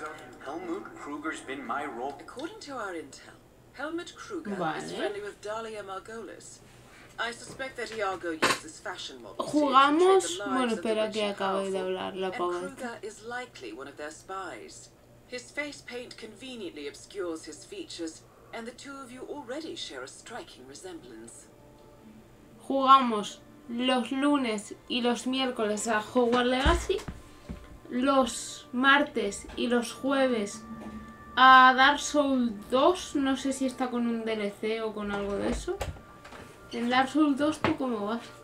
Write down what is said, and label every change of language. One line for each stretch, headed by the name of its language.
English: According to our intel, Helmut Kruger is friendly with Dahlia Margolis. I suspect that Iago uses fashion models.
Spanish: Jugamos, bueno, espera que acabe de hablar la pobre.
English: And Kruger is likely one of their spies. His face paint conveniently obscures his features, and the two of you already share a striking resemblance.
Spanish: Jugamos los lunes y los miércoles a Hogwarts Legacy, los martes y los jueves a Dark Souls 2, no sé si está con un DLC o con algo de eso. En Dark Souls 2, ¿tú cómo vas?